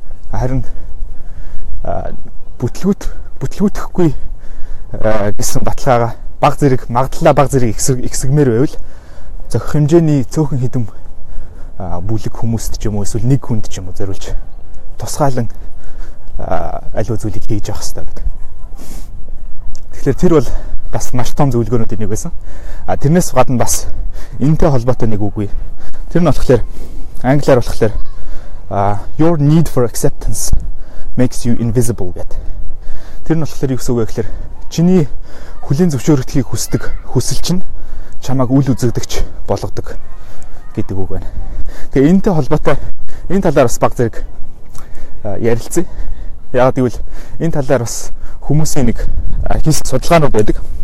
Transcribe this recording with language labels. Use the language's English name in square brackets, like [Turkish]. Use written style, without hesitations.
[Mongolian] Харин бүтлгүүтэхгүй гэсэн баталгаагаа баг зэрэг магадлалаа баг зэрэг ихсэгмээр байвал зохих хэмжээний цөөхөн хідэм бүлэг хүмүүст ч юм уу эсвэл нэг хүнд ч юм уу зориулж тусгаалan аливаа зүйлийг хийж явах хэрэгтэй гэдэг. Тэгэхээр тэр бол бас маш том зөвлөгөөнүүдийн нэг байсан. А тэрнээс гадна бас энэтэй холбоотой нэг үг үү. Тэр нь болохоор англиар болохоор [English] your need for acceptance makes you invisible [Mongolian] гэдэг. Тэр нь болохоор юу гэсэн үг вэ гэхээр чиний хүлийн зөвшөөрөлтийг хүсдэг хүсэл чинь чамайг үл үзэгдэгч болгодог гэдэг үг байна. Тэгээ энэтэй холбоотой энэ талаар бас баг зэрэг ярилцъя. Яагад гэвэл энэ талаар бас хүмүүсийн нэг хийсэн судалгаанууд байдаг.